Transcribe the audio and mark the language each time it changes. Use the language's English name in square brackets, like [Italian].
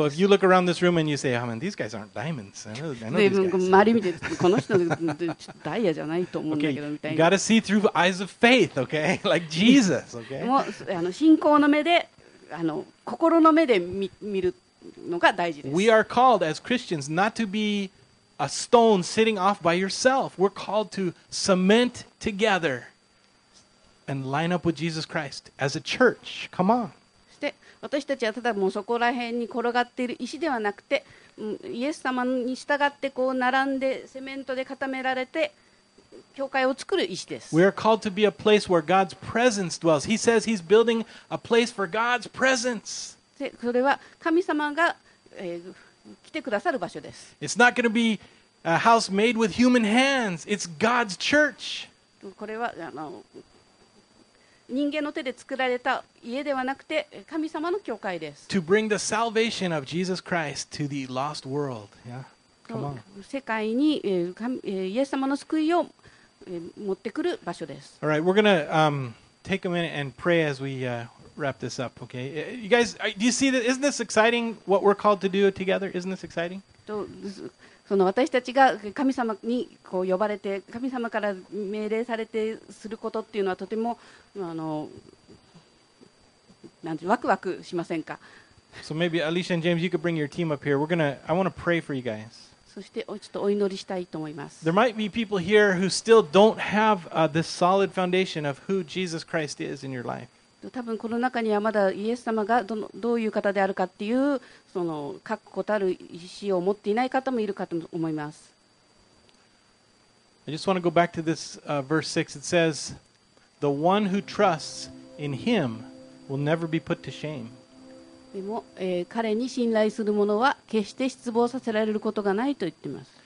[English] So if you look around this room and you say, "Oh man, these guys aren't diamonds," I know these guys. [Japanese] 周り見てこの人ちょっとダイヤじゃないと思うんだけどみたいな。 [English] You gotta see through eyes of faith, okay? Like Jesus, okay? [Japanese] もう信仰の目で、心の目で見る。 [English] We are called as Christians not to be a stone sitting off by yourself. We're called to cement together and line up with Jesus Christ as a church. Come on. [Japanese] そして私たちはただもうそこら辺に転がっている石ではなくて、イエス様に従ってこう並んでセメントで固められて教会を作る石です。 [English] We are called to be a place where God's presence dwells. He says he's building a place for God's presence. [Japanese] でそれは神様が、来てくださる場所です。 [English] It's not going to be a house made with human hands. It's God's church. [Japanese] これは人間の手で作られた家ではなくて神様の教会です。 [English] To bring the salvation of Jesus Christ to the lost world. Yeah, come on. [Japanese] 世界に、イエス様の救いを、持ってくる場所です。 [English] All right, we're going to take a minute and pray as we. Wrap this up, okay? You guys, do you see that? Isn't this exciting? What we're called to do together? Isn't this exciting? [Japanese] その私たちが神様にこう呼ばれて、神様から命令されてすることっていうのはとてもなんてワクワクしませんか? [English] So maybe Alicia and James, you could bring your team up here. I want to pray for you guys. [Japanese] そしてちょっとお祈りしたいと思います。 [English] There might be people here who still don't have this solid foundation of who Jesus Christ is in your life. [Japanese] 多分この中にはまだイエス様が どういう方であるかっていうその確固たる石を持っていない方もいるかと思います。 [English] I just want to go back to this verse 6. It says, "The one who trusts in Him will never be put to shame." [Japanese] でも、彼に信頼する者は決して失望させられることがないと言っています。